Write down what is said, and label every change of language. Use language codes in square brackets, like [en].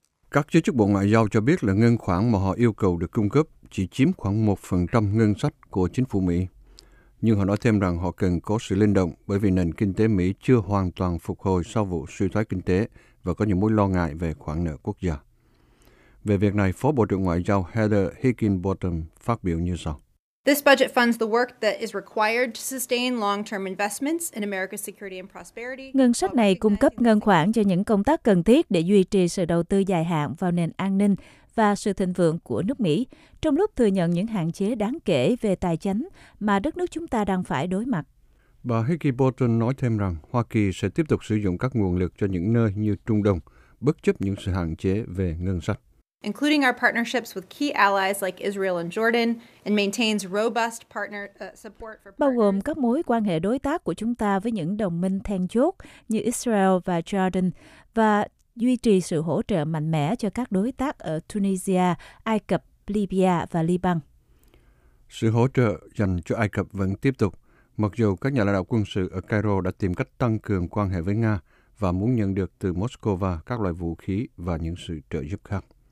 [vi] Các giới chức Bộ Ngoại giao cho biết là ngân khoản mà họ yêu cầu được cung cấp chỉ chiếm khoảng 1% ngân sách của chính phủ Mỹ. Nhưng họ nói thêm rằng họ cần có sự linh động bởi vì nền kinh tế Mỹ chưa hoàn toàn phục hồi sau vụ suy thoái kinh tế và có những mối lo ngại về khoản nợ quốc gia. Về việc này, Phó Bộ trưởng Ngoại giao Heather Higginbotham phát biểu như sau. [en] This budget funds the work that is required to sustain long-term investments in America's security and prosperity. [vi] Ngân sách này cung cấp ngân khoản cho những công tác cần thiết để duy trì sự đầu tư dài hạn vào nền an ninh và sự thịnh vượng của nước Mỹ, trong lúc thừa nhận những hạn chế đáng kể về tài chính mà đất nước chúng ta đang phải đối mặt. Bà Higginbotham nói thêm rằng Hoa Kỳ sẽ tiếp tục sử dụng các nguồn lực cho những nơi như Trung Đông, bất chấp những sự hạn chế về ngân sách. [en] Including our partnerships with key allies like Israel and Jordan, and maintains robust partner support for. [vi] Bao gồm các mối quan hệ đối tác của chúng ta với những đồng minh then chốt như Israel và Jordan, và duy trì sự hỗ trợ mạnh mẽ cho các đối tác ở Tunisia, Ai Cập, Libya và Liban. Sự hỗ trợ dành cho Ai Cập vẫn tiếp tục, mặc dù các nhà lãnh đạo quân sự ở Cairo đã tìm cách tăng cường quan hệ với Nga và muốn nhận được từ Moscow các loại vũ khí và những sự trợ giúp khác.